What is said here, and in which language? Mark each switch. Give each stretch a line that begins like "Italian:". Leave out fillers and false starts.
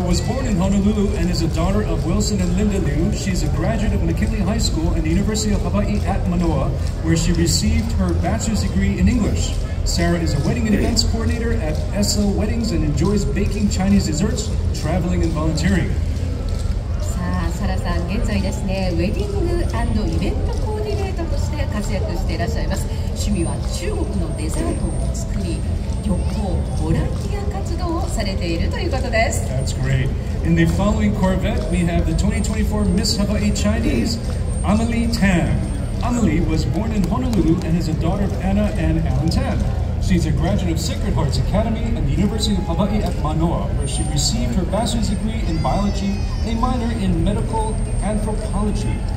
English: was born in Honolulu and is a daughter of Wilson and Linda Liu. She's a graduate of McKinley High School and the University of Hawaii at Manoa, where she received her bachelor's degree in English. Sarah is a wedding and events coordinator at SL Weddings and enjoys baking Chinese desserts, traveling and volunteering.
Japanese: さあ、サラさん、現在ですね、ウェディングアンドイベントコーディネートとして活躍していらっしゃいます。趣味は中国のデザートを作り、旅行、ボランティア活動をされているということです。
English: That's great. In the following Corvette, we have the 2024 Miss Hawaii Chinese, Amelie Tam. Amelie was born in Honolulu and is a daughter of Anna and Alan Tam. She's a graduate of Sacred Hearts Academy and the University of Hawaii at Manoa, where she received her bachelor's degree in biology and a minor in medical anthropology.